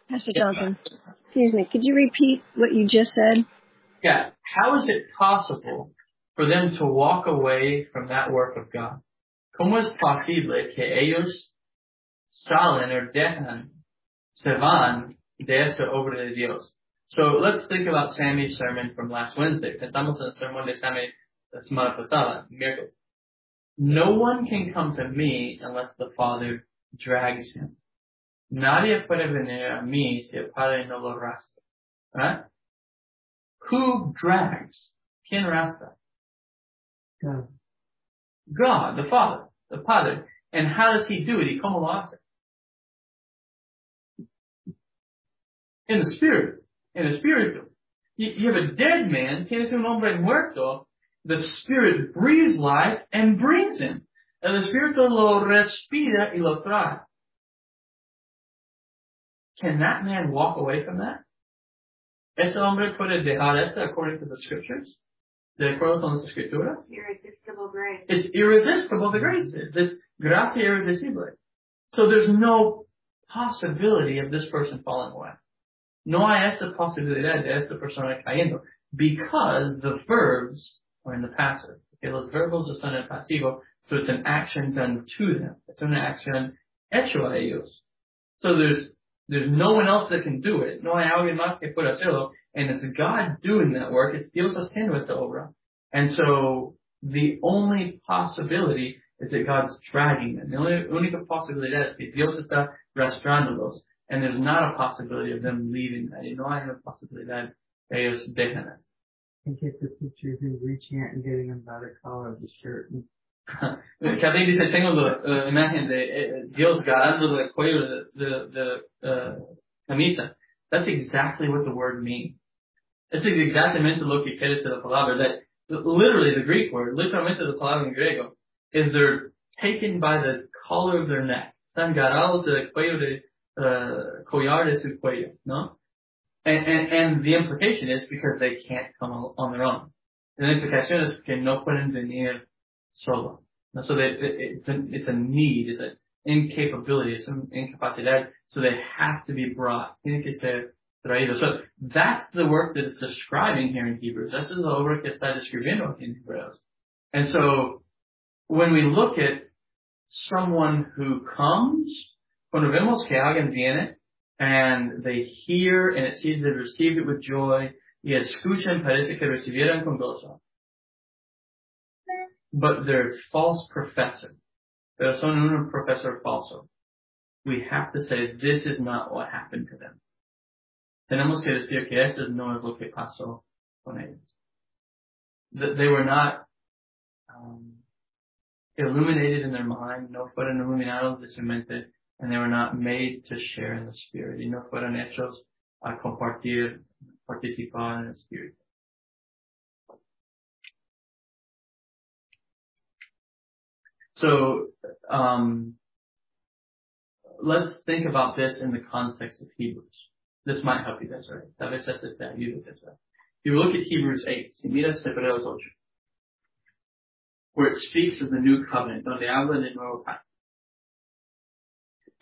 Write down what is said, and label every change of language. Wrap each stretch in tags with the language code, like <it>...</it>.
<en>Excuse me, could you repeat what you just said? Yeah. How is it possible for them to walk away from that work of God?</en> <es>¿Cómo es posible que ellos salen o dejan, se van de esta obra de Dios?</es> <en>So let's think about Sammy's sermon from last Wednesday.</en> <es>Pensamos en el sermón de Sammy la semana pasada, miércoles.</es> <en>No one can come to me unless the Father drags him.</en> <es>Nadie puede venir a mí si el Padre no lo arrastra.</es> <en>Right? Who drags?</en> <es>¿Quién arrastra?</es> <en>God. God, the Father. And how does he do it? He</en> <es>como lo hace.</es> <en>In the spirit. In the spirit. You have a dead man,</en> <es>tienes un hombre muerto,</es> <en>the spirit breathes life and brings him.</en> <es>El espíritu lo respira y lo trae.</es> <en>Can that man walk away from that?</en> <es>¿Ese hombre puede dejar esto</es> <en>according to the scriptures?</en> <es>¿De acuerdo con la escritura?</es> <en>Irresistible grace. It's irresistible, the grace is. It's</en> <es>gracia irresistible.</es> <en>So there's no possibility of this person falling away.</en> <es>No hay esta posibilidad de esta persona cayendo.</es> <en>Because the verbs are in the passive. Okay,</en> <es>los verbos están en pasivo.</es> <en>So it's an action done to them. It's an action</en> <es>hecho a ellos.</es> <en>So there's no one else that can do it.</en> <es>No hay alguien más que pueda hacerlo.</es> <en>And it's God doing that work. It's Dios haciendo esta obra. And so the only possibility is that God's dragging them.</en> <es>The única posibilidad es que Dios está arrastrándolos.</es> <en>And there's not a possibility of them leaving that. You know, I have a possibility that</en> <es>ellos dejan</es> <en>us. And get the picture of him reaching out and getting them by the collar of the shirt.</en> <es>Kathleen dice, tengo la imagen de Dios agarrando el cuello de camisa.</es> <en>That's exactly what the word means.</en> <es>It's exactamente lo que quiere decir la palabra.</es> <en>That literally, the Greek word,</en> <es>literalmente la palabra en griego,</es> <en>is they're taken by the collar of their neck.</en> <es>Están agarrados del cuello de collar de su cuello, ¿no?</es> <en>And the implication is because they can't come on their own. The implication is</en> <es>que no pueden venir solo.</es> <en>So it's a need, it's an incapability, it's an incapacidad. So they have to be brought.</en> <es>Tiene que ser traído.</es> <en>So that's the work that it's describing here in Hebrews. This is the</en> <es>obra que está describiendo aquí en</es> <en>Hebrews. And so when we look at someone who comes,</en> <es>cuando vemos que alguien viene,</es> <en>and they hear, and it sees they've received it with joy.</en> <es>Y escuchan, parece que recibieron con gozo.</es> <en>But they're false professor.</en> <es>Pero son un profesor falso.</es> <en>We have to say, this is not what happened to them.</en> <es>Tenemos que decir que esto no es lo que pasó con ellos.</es> <en>They were not illuminated in their mind.</en> <es>No fueron iluminados de su mente.</es> <en>And they were not made to share in the Spirit.</en> <es>Y no fueron hechos a compartir, participar en el Espíritu.</es> <en>So, let's think about this in the context of Hebrews. This might help you guys, right?</en> <es>Tal vez es el tema,</es> <en>you look at that. If you look at Hebrews 8,</en> <es>si miras Hebreos 8,</es> <en>where it speaks of the new covenant,</en> <es>donde habla de nuevo pacto.</es>